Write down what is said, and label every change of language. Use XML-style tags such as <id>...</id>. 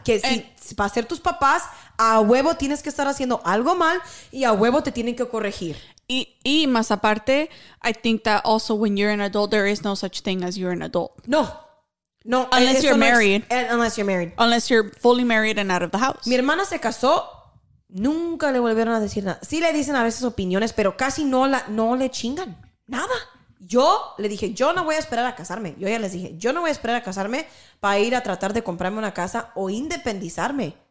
<es>Que si para ser tus papás, a huevo tienes que estar haciendo algo mal y a huevo te tienen que corregir. Y más aparte,</es> <en>I think that also when you're an adult, there is no such thing as you're an adult. No. No. Unless you're married. Unless you're married. Unless you're fully married and out of the house.</en> <es>Mi hermana se casó. Nunca le volvieron a decir nada. Sí le dicen a veces opiniones, pero casi no le chingan. Nada. Yo le dije, yo no voy a esperar a casarme. Yo ya les dije, yo no voy a esperar a casarme para ir a tratar de comprarme una casa o independizarme.</es>